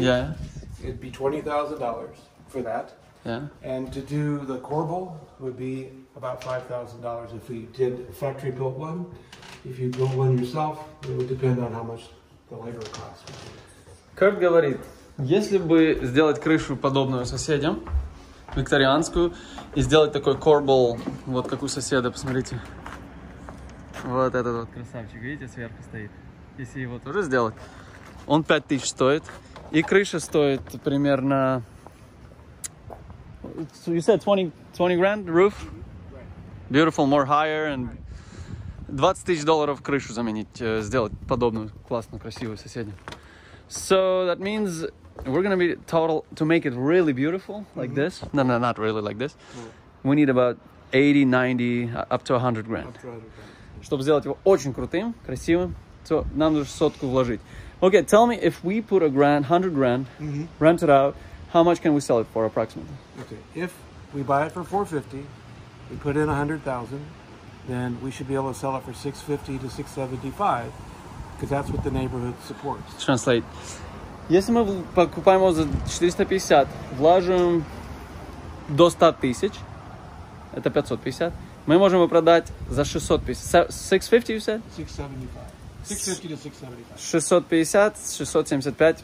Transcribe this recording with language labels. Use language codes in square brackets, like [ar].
[en] yeah. It'd be $20,000 for that. Yeah. And to do the corbel would be about $5,000 if we did a factory built one. If you build one yourself, it would depend on how much the labor costs. [ru] Kurt говорит, если бы сделать крышу подобную соседям, викторианскую, и сделать такой корбел, вот как у соседа, посмотрите. Вот этот вот красавчик, видите, сверху стоит. Если его тоже сделать, он 5000 стоит. И крыша стоит примерно... [en] So you said 20 grand roof? Right. Beautiful, more higher and right. [ru] $20,000 крышу заменить, сделать подобную классную красивую соседнюю. [en] So that means we're going to be total to make it really beautiful like mm-hmm. this. No, not really like this. Right. We need about 80, 90 up to 100 grand. Right. [ru] Чтобы сделать его очень крутым, красивым, то нам нужно сотку вложить. [en] Okay, tell me if we put a grand, 100 grand, mm-hmm. rent it out. How much can we sell it for, approximately? Okay, if we buy it for $450, we put in $100,000, then we should be able to sell it for $650 to $675, because that's what the neighborhood supports. Translate. [ru] Если мы покупаем его за 450, вложим до 100 тысяч, это 550, мы можем его продать за 650. [en] $650, you said? $675. $650 to $675.